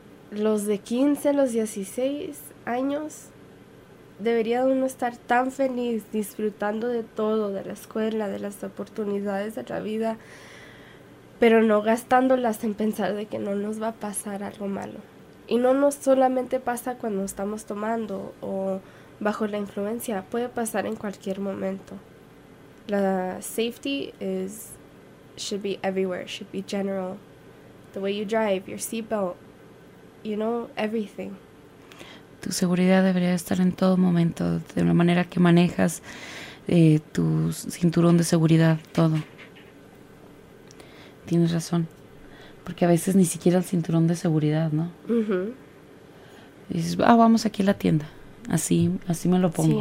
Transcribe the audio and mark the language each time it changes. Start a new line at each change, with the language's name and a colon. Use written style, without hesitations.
Spanish: Los de 15, los 16 años, debería uno estar tan feliz disfrutando de todo, de la escuela, de las oportunidades de la vida, pero no gastándolas en pensar de que no nos va a pasar algo malo. Y no nos solamente pasa cuando estamos tomando o bajo la influencia, puede pasar en cualquier momento.
English: La safety is should be everywhere, should be general. The way you drive, your seatbelt, you know, everything.
Spanish: Tu seguridad debería estar en todo momento, de la manera que manejas, tu cinturón de seguridad, todo. Tienes razón, porque a veces ni siquiera el cinturón de seguridad, ¿no? Uh-huh. Dices, ah, vamos aquí a la tienda, así me lo pongo.